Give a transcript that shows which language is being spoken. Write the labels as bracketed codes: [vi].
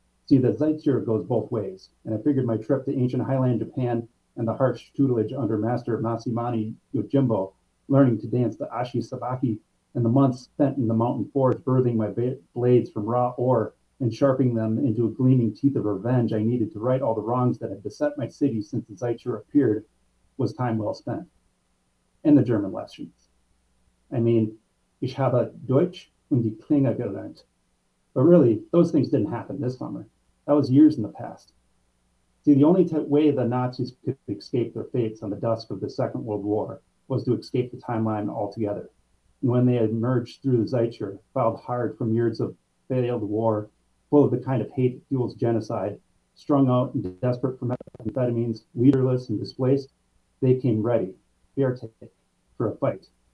[en] See, the Zaitsur goes both ways, and I figured my trip to ancient Highland Japan and the harsh tutelage under Master Masamune Yojimbo, learning to dance the Ashi Sabaki, and the months spent in the mountain forest birthing my blades from raw ore and sharpening them into a gleaming teeth of revenge I needed to right all the wrongs that had beset my city since the Zaitsur appeared, was time well spent. And the German lessons. I mean, [de] ich habe Deutsch und die Klinge gelernt. [en] But really, those things didn't happen this summer. That was years in the past. See, the only way the Nazis could escape their fates on the dusk of the Second World War was to escape the timeline altogether. And when they had emerged through the Zeitzeit, filed hard from years of failed war, full of the kind of hate that fuels genocide, strung out and desperate for methamphetamines, leaderless and displaced, they came ready, fertig, for a fight.